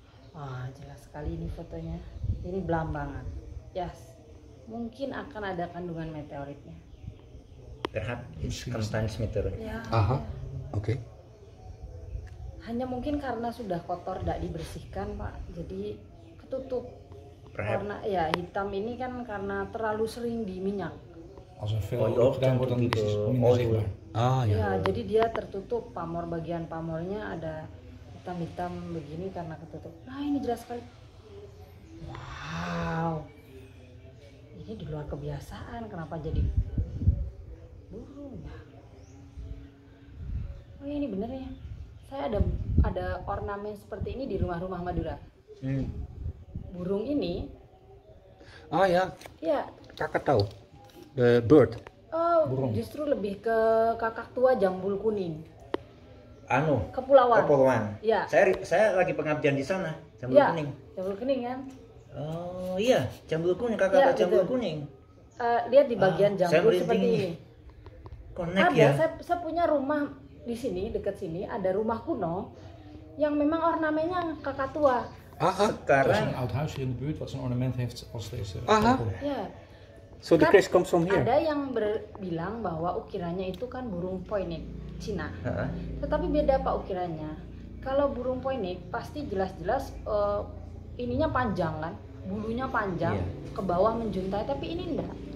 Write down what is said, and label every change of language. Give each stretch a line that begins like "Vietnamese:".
Indonesian: Wah, jelas sekali ini fotonya. Ini Blambangan. Yes, mungkin akan ada kandungan meteoritnya.
English: Perhaps sometimes meteorit.
Indonesian: Ya. Aha. Okay. Hanya mungkin karena sudah kotor, tidak dibersihkan, Pak. Jadi ketutup.
English: Perhaps.
Indonesian: Karena ya hitam ini kan karena terlalu sering di minyak.
Dutch: Als er veel gedaan wordt, dan is het minder zichtbaar. Ah, ja.
Indonesian: Ya, jadi dia tertutup pamor, bagian pamornya ada hitam-hitam begini karena ketutup. Nah, ini jelas sekali. Wow. Ini di luar kebiasaan, kenapa jadi burung ya? Oh, ini bener ya. Saya ada ornamen seperti ini di rumah-rumah Madura. Burung ini. Ah, ya. Iya. Kakak tahu.
English: Bird.
Indonesian: Oh, burung. Justru lebih ke kakak tua jambul kuning. Anu. Kepulauan. Kepulauan. Ya. Saya lagi pengabdian di sana jambul ya. Kuning. Jambul kuning kan? Oh iya, jambul kuning kakak ya, jambul gitu. Kuning. Lihat di bagian jambul saya seperti ini. Connect ada, ya. Saya punya rumah di sini dekat sini ada rumah kuno yang memang ornamennya kakak tua. Aha. Sekarang
Dutch: er is een oud huis hier in de buurt wat zo'n ornament heeft als deze. Aha. Ja.
English: So the kris comes from here.
Indonesian: Ada yang bilang bahwa ukirannya itu kan burung poinik Cina. Uh-huh. Tetapi beda Pak ukirannya. Kalau burung poinik pasti jelas-jelas ininya panjang kan, bulunya panjang, yeah, ke bawah menjuntai, tapi ini enggak.